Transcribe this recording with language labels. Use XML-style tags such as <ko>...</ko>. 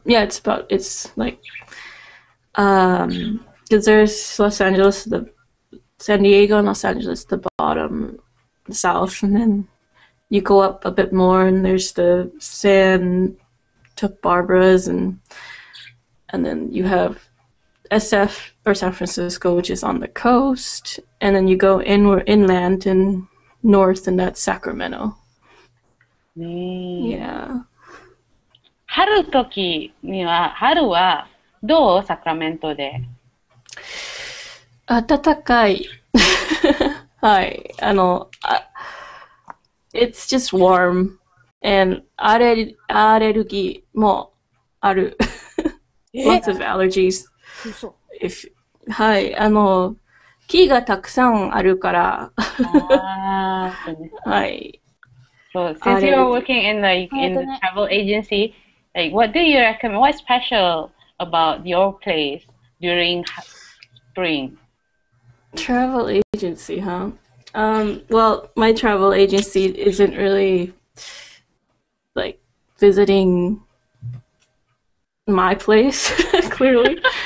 <en>Yeah, it's about, it's like, because there's Los Angeles, the San Diego and Los Angeles, the bottom, the south, and then you go up a bit more and there's the Santa Barbara's and then you have SF or San Francisco, which is on the coast, and then you go inward, inland and north, and that's Sacramento. Yeah.</en> <ja>春は、どう、サクラメントで。暖かい。はい。あの、</ja> <en>It's just warm.</en> <ja>And アレルギーもある。</ja> <en>Lots of allergies. If, はい。</en> <ja>あの、木がたくさんあるから。ああ、はい。</ja> <en>So, since you're working in the travel agency, like, what do you recommend? What's special about your place during spring? Travel agency, huh? Well, my travel agency isn't really, like, visiting my place, clearly.</en>